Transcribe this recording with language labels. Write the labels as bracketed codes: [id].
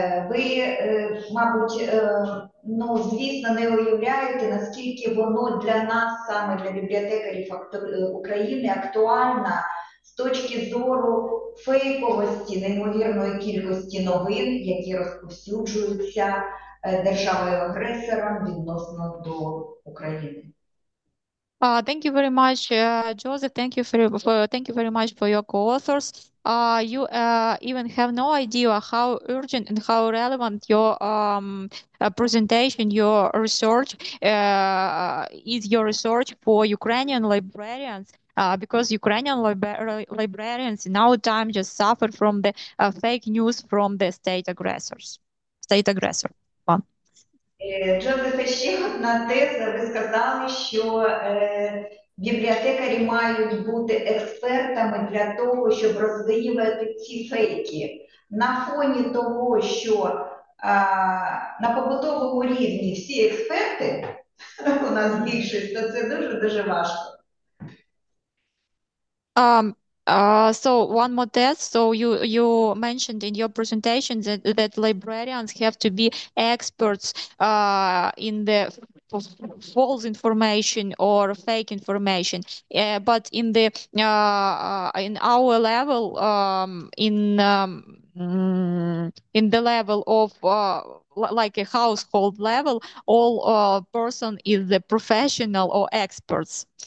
[uk] Ви, мабуть, ну, звісно, не уявляєте, наскільки воно для нас, саме для бібліотекарів України, актуальне з точки зору фейковості неймовірної кількості новин, які розповсюджуються державою-агресором відносно до України. [en] Thank you very much, Joseph. Thank you very much for your co-authors. You even have no idea how urgent and how relevant your presentation, your research is, your research for Ukrainian librarians. Because Ukrainian librarians in our time just suffer from the fake news from the state aggressor. [uk] Джозефе, ще одна теза. Ви сказали, що бібліотекарі мають бути експертами для того, щоб розвіювати ці фейки. На фоні того, що на побутовому рівні всі експерти у нас більшість, то це дуже-дуже важко. [en] So one more test. So you mentioned in your presentation that librarians have to be experts in the false information or fake information. But in the in our level, in the level of like a household level, all person is the professional or experts.